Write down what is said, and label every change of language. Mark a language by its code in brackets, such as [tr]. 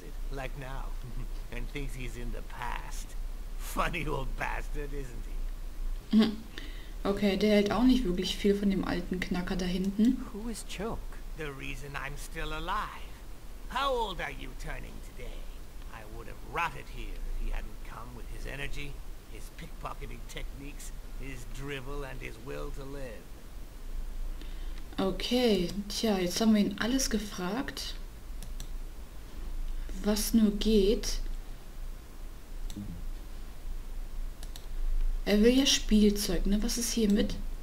[en] like now, and thinks he's in the past. Funny old bastard, isn't he? [de] Okay, der hält auch nicht wirklich viel von dem alten Knacker da hinten. [en] Who is Choke? The reason I'm still alive. How old are you turning today? I would have rotted here if he hadn't come with his energy, his pickpocketing techniques, his drivel and his will to live. [de] Okay, tja, jetzt haben wir ihn alles gefragt, was nur geht. Er will ja Spielzeug, ne? Was ist hier mit?